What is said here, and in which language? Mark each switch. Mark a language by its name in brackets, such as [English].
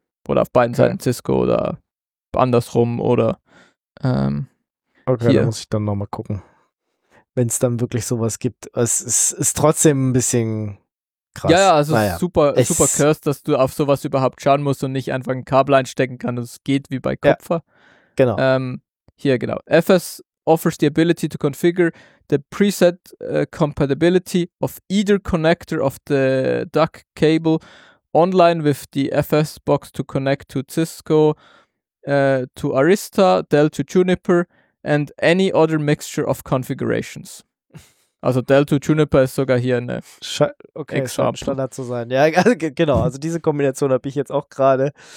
[German] Oder auf beiden Seiten Cisco oder andersrum oder okay, da muss ich dann nochmal gucken. Wenn es dann wirklich sowas gibt. Es ist trotzdem ein bisschen krass. Ja, ja, also naja. super cursed, dass du auf sowas überhaupt schauen musst und nicht einfach ein Kabel einstecken kannst. Das geht wie bei Kupfer. Ja, genau. Hier, genau. [English] FS offers the ability to configure the preset compatibility of either connector of the DAC cable online with the FS box to connect to Cisco, to Arista, Dell to Juniper and any other mixture of configurations. [German] Also Dell to Juniper ist sogar hier eine Example. Standard zu sein. Ja, also, genau, also diese Kombination habe ich jetzt auch gerade.